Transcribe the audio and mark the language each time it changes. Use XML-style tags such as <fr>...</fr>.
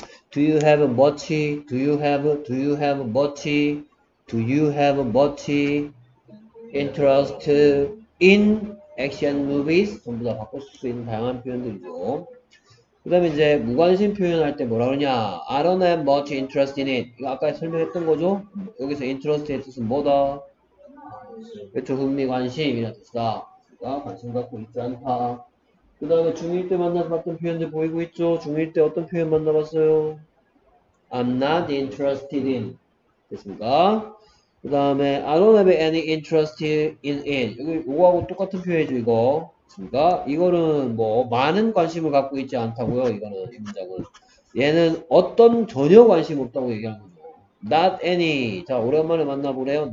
<en>Do you have much interest in action movies?</en> <ko>전부 다 바꿀 수 있는 다양한 표현들이죠. 그 다음에 이제 무관심 표현할 때 뭐라 그러냐?</ko> <en>I don't have much interest in it.</en> <ko>이거 아까 설명했던 거죠? 여기서 interest의 뜻은 뭐다? 그쵸, 흥미관심이라는 뜻이다. 관심 갖고 있지 않다. 그 다음에 중1 때 만나봤던 표현들 보이고 있죠? 중1 때 어떤 표현 만나봤어요?</ko> <en>I'm not interested in.</en> <ko>됐습니다. 그 다음에</ko> <en>I don't have any interest in it.</en> <ko>여기 이거하고 똑같은 표현이죠, 이거. 있습니까? 이거는 뭐 많은 관심을 갖고 있지 않다고요. 이거는 이 문장은 얘는 어떤 전혀 관심 없다고 얘기하는 거죠.</ko> <en>Not any.</en> <ko>자, 오랜만에 만나보래요.</ko>